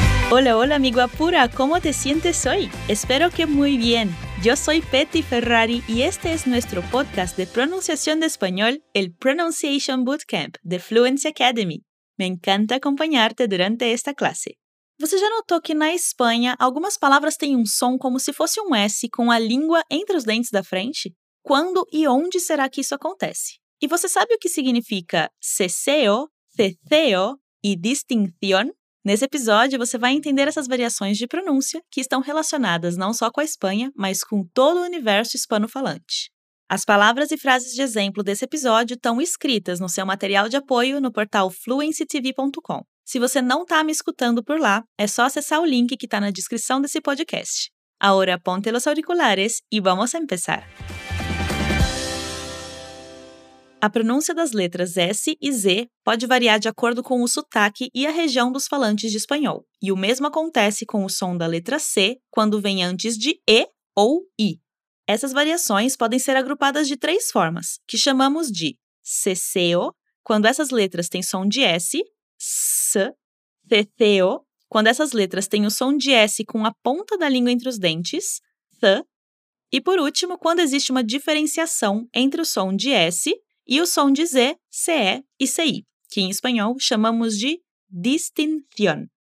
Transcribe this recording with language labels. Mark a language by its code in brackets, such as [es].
[es] Hola, hola, amigo Apura, ¿cómo te sientes hoy? Espero que muy bien. Yo soy Petty Ferrari y este es nuestro podcast de pronunciación de español, el Pronunciation Bootcamp de Fluency Academy. Me encanta acompañarte durante esta clase. [pt] Você já notou que na Espanha algumas palavras têm um som como se fosse um S com a língua entre os dentes da frente? Quando e onde será que isso acontece? E você sabe o que significa ceseo, ceceo e distinción? Nesse episódio, você vai entender essas variações de pronúncia que estão relacionadas não só com a Espanha, mas com todo o universo hispanofalante. As palavras e frases de exemplo desse episódio estão escritas no seu material de apoio no portal fluencytv.com. Se você não está me escutando por lá, é só acessar o link que está na descrição desse podcast. [es] Ahora ponte los auriculares y vamos a empezar! [pt] A pronúncia das letras S e Z pode variar de acordo com o sotaque e a região dos falantes de espanhol. E o mesmo acontece com o som da letra C quando vem antes de E ou I. Essas variações podem ser agrupadas de três formas, que chamamos de ceceo, quando essas letras têm som de S, s, ceceo, quando essas letras têm o som de S com a ponta da língua entre os dentes, s, e por último, quando existe uma diferenciação entre o som de S e o som de Z, CE e CI, que em espanhol chamamos de distinción.